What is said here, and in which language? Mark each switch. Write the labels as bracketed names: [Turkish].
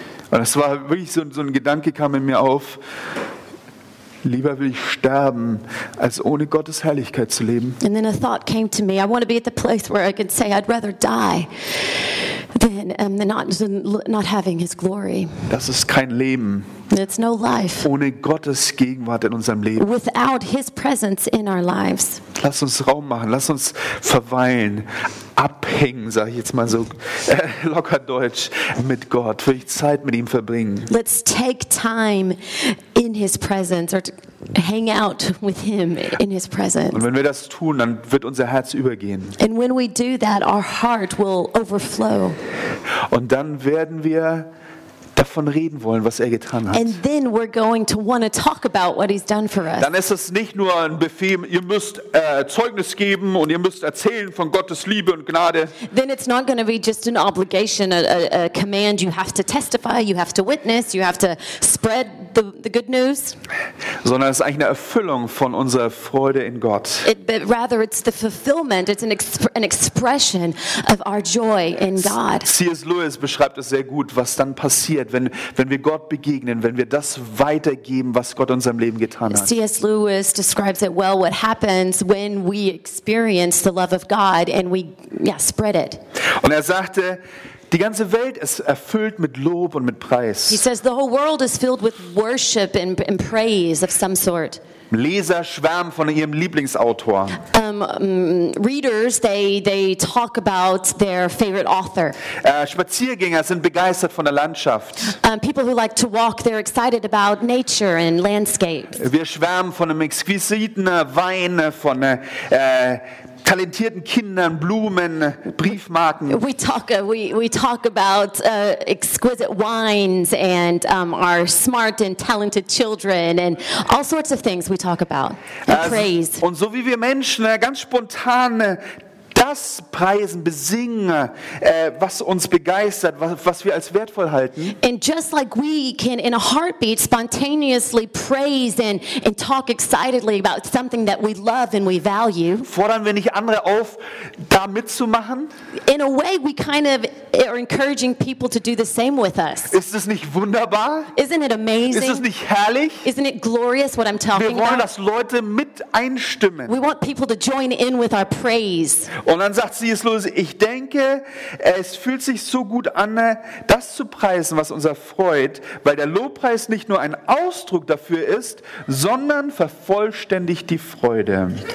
[German] Und es war wirklich so ein Gedanke kam in mir auf, lieber will ich sterben, als ohne Gottes Herrlichkeit zu leben. [English] And then a thought came to me, I want to be at the place where I could say I'd rather die than not having his glory. [German] Das ist kein Leben. [English] It's no life. [German] Ohne Gottes Gegenwart in unserem Leben. [English] Without his presence in our lives. [German] Lass uns Raum machen, lass uns verweilen, abhängen, sage ich jetzt mal so locker deutsch, mit Gott, will ich Zeit mit ihm verbringen. [English] Let's take time in his presence or hang out with him in his presence. [German] Und wenn wir das tun, dann wird unser Herz übergehen. [English] And when we do that, our heart will overflow. [German] Und dann werden wir davon reden wollen, was er getan hat. [English] And then we're going to want to talk about what he's done for us. [German] Dann ist es nicht nur ein Befehl, ihr müsst Zeugnis geben und ihr müsst erzählen von Gottes Liebe und Gnade. [English] Then it's not going to be just an obligation, a command. You have to testify, you have to witness, you have to spread the good news. [German] Sondern es ist eigentlich eine Erfüllung von unserer Freude in Gott. [English] Rather it's the fulfillment, it's an expression of our joy in God. [German] C.S. Lewis beschreibt es sehr gut, was dann passiert, wenn wir Gott begegnen, wenn wir das weitergeben, was Gott in unserem Leben getan hat. [English] C.S. Lewis describes it well, what happens when we experience the love of God and we spread it. [German] Und er sagte, die ganze Welt ist erfüllt mit Lob und mit Preis. [English] He says the whole world is filled with worship and praise of some sort. [German] Leser schwärmen von ihrem Lieblingsautor. [English] Readers, they talk about their favorite author. [German] Spaziergänger sind begeistert von der Landschaft. [English] People who like to walk, they're excited about nature and landscapes. [German] Wir schwärmen von einem exquisiten Wein, von talentierten Kindern, Blumen, Briefmarken. [English] We talk about exquisite wines and our smart and talented children and all sorts of things we talk about and praise. [German] Und so wie wir Menschen ganz spontan da das preisen, besingen, was uns begeistert, was wir als wertvoll halten. [English] And just like we can in a heartbeat spontaneously praise and talk excitedly about something that we love and we value. [German] Fordern wir nicht andere auf, da mitzumachen? [English] In a way we kind of are encouraging people to do the same with us. [German] Ist es nicht wunderbar? [English] Isn't it amazing? [German] Ist es nicht herrlich? [English] Isn't it glorious what I'm talking about? [German] Wir wollen, dass Leute mit einstimmen. [English] We want people to join in with our praise. [German] Und dann sagt C.S. Lewis, ich denke, es fühlt sich so gut an, das zu preisen, was uns erfreut, weil der Lobpreis nicht nur ein Ausdruck dafür ist, sondern vervollständigt die Freude.